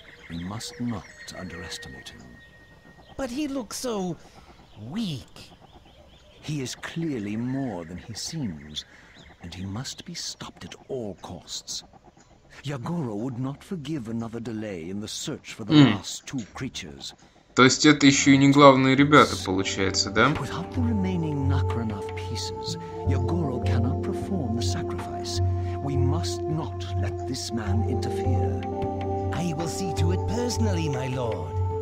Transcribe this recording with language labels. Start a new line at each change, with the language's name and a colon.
English: We must not underestimate him. But he looks so weak. He is clearly more than he seems, and he must be stopped at all costs. Ягора would not forgive another delay in the search for the last two creatures.
Russian: То есть это еще и не главные ребята, получается, да?
English: Without the remaining Nakranov pieces, Ягора cannot perform the sacrifice. We must not let this man interfere. I will see to it personally, my lord.